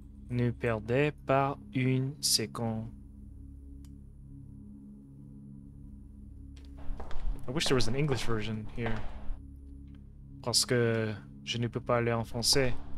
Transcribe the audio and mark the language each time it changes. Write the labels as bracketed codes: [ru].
[fr] Ne perdez pas une seconde. [en] I wish there was an English version here. [fr] Parce que je ne peux pas aller en français.